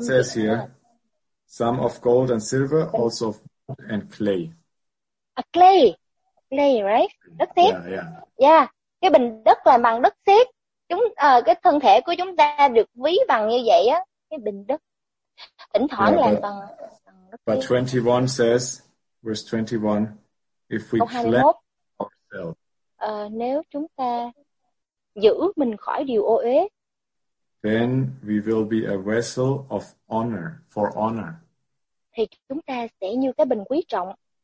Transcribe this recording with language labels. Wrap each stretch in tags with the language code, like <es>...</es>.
<en>It says here, some of gold and silver, also and clay. Clay, right?</en> <vi>Đất sét. Yeah. Cái bình đất là bằng đất sét. Chúng cái thân thể của chúng ta được ví bằng như vậy á, cái bình đất. Thỉnh thoảng là bằng đất sét.</vi> <en>But 21 says, verse 21, if we cleanse ourselves.</en> <vi>Nếu chúng ta giữ mình khỏi điều ô uế,</vi> <en>then we will be a vessel of honor, for honor.</en> <vi>Thì chúng ta sẽ như cái bình quý trọng.</vi>